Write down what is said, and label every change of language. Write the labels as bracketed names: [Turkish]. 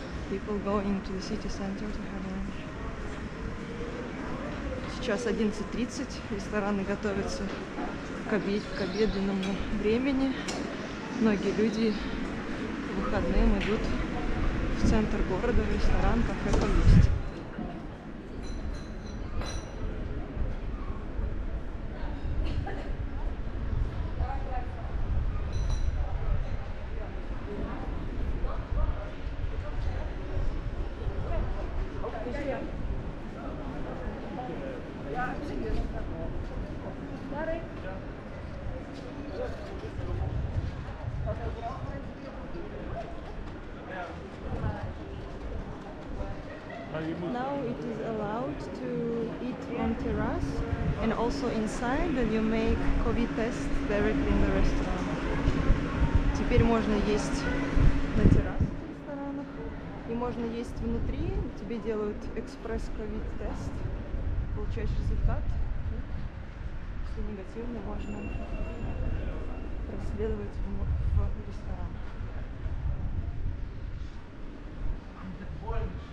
[English] People going to the city center to have lunch. [Russian] сейчас 11:30, рестораны готовятся к обеденному времени. Многие люди по выходным идут в центр города, в ресторан, кафе поесть. [English] Now it is allowed to eat on terrace and also inside, and you make COVID test directly in the restaurant. [Russian] Теперь можно есть на террасах в ресторанах, и можно есть внутри, тебе делают экспресс COVID тест, получаешь результат, если негативный, можно проследовать в ресторан.